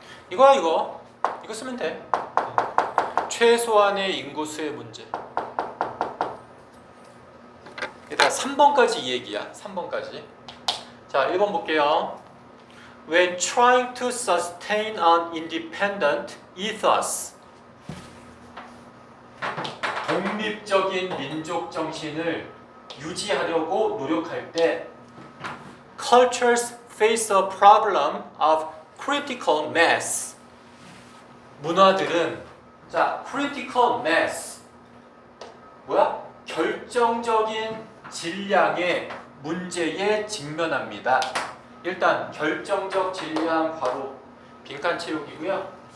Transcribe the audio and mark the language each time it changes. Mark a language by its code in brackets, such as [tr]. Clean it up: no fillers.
[ko] 이거야 이거. 이거 쓰면 돼. 최소한의 인구수의 문제. 게다가 3번까지 이 얘기야. 3번까지. 자, 1번 볼게요. [en] When trying to sustain an independent ethos. [ko] 독립적인 민족 정신을 유지하려고 노력할 때 [en] cultures face a problem of critical mass. [ko] 문화들은 자, critical mass 뭐야? 결정적인 질량의 문제에 직면합니다. 일단 결정적 질량 괄호 빈칸 채우기고요.